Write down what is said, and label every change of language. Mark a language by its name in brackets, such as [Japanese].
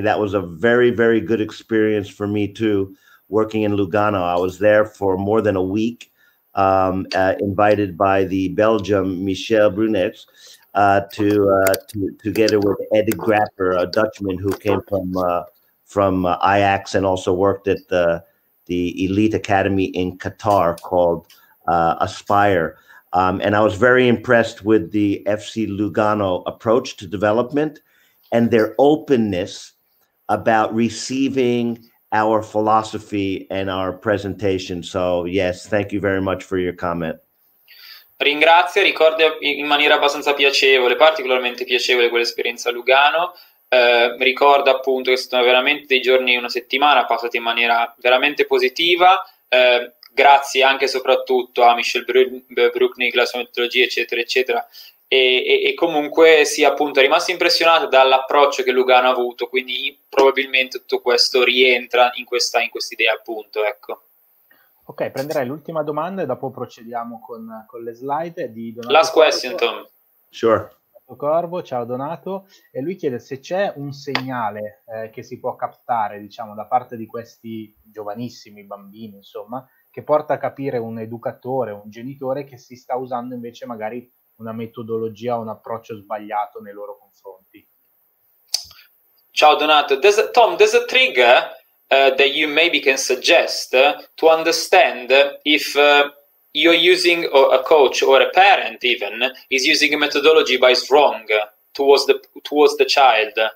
[English] That was a very, very good experience for me too. Working in Lugano, I was there for more than a week, invited by the Belgium Michel Brunets together with Ed Grapper, a Dutchman who came from Ajax and also worked at the elite academy in Qatar called Aspire. And I was very impressed with the FC Lugano approach to development and their openness about receiving our philosophy and our presentation. So yes, thank you very much for your comment. [Italian] Ringrazio, ricordo in maniera abbastanza piacevole, particolarmente piacevole quell'esperienza a Lugano. Ricordo appunto che sono veramente dei giorni, una settimana passata in maniera veramente positiva. Grazie anche e soprattutto a Michel Bruckner, la sua metodologia, eccetera, eccetera. E comunque sì, appunto, è rimasto impressionato dall'approccio che Lugano ha avuto, quindi probabilmente tutto questo rientra in questa idea, appunto, ecco. Ok, prenderei l'ultima domanda e dopo procediamo con le slide di Donato. [English] Last question, Tom. Sure. [Italian] Corvo, ciao Donato, e lui chiede se c'è un segnale che si può captare, diciamo, da parte di questi giovanissimi bambini, insomma, che porta a capire un educatore, un genitore che si sta usando invece magari una metodologia o un approccio sbagliato nei loro confronti. [English] Ciao Donato, there's a trigger that you maybe can suggest to understand if you're using a coach or a parent even is using a methodology but is wrong towards the child.